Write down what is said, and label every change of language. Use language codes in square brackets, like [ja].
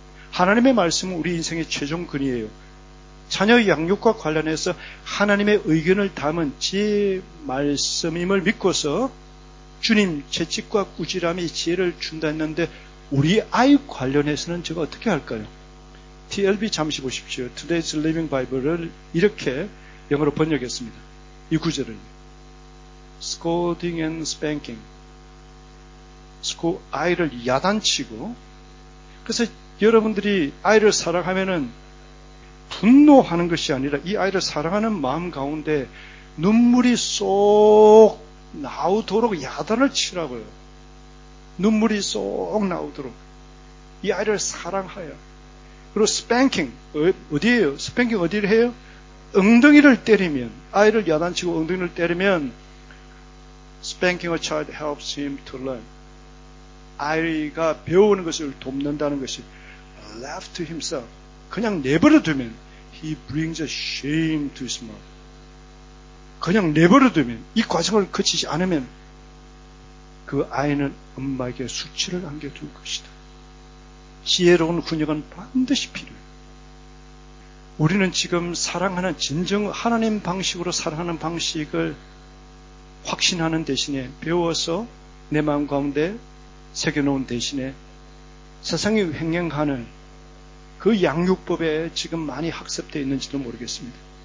[ko] 하나님의 말씀은 우리 인생의 최종 근이에요. 자녀 양육과 관련해서 하나님의 의견을 담은 지혜의 말씀임을 믿고서 주님 채찍과 꾸지람이 지혜를 준다 했는데 우리 아이 관련해서는 제가 어떻게 할까요? TLB 잠시 보십시오. Today's Living Bible을 이렇게 영어로 번역했습니다. 이 구절을 [en] Scolding and spanking. [ko] 아이를 야단치고, 그래서 여러분들이 아이를 사랑하면은 분노하는 것이 아니라 이 아이를 사랑하는 마음 가운데 눈물이 쏙 나오도록 야단을 치라고요. 눈물이 쏙 나오도록. 이 아이를 사랑하여. 그리고 spanking, 어디에요? spanking 어디를 해요? 엉덩이를 때리면, 아이를 야단치고 엉덩이를 때리면, [en] Spanking a child helps him to learn. [ko] 아이가 배우는 것을 돕는다는 것이 [en] left to himself. [ko] 그냥 내버려 두면 [en] he brings a shame to his mother. [ko] 그냥 내버려 두면 이 과정을 거치지 않으면 그 아이는 엄마에게 수치를 안겨둘 것이다. 지혜로운 훈육은 반드시 필요해. 우리는 지금 사랑하는 진정 하나님 방식으로 사랑하는 방식을 확신하는 대신에 배워서 내 마음 가운데 새겨놓은 대신에 세상이 횡행하는 그 양육법에 지금 많이 학습되어 있는지도 모르겠습니다.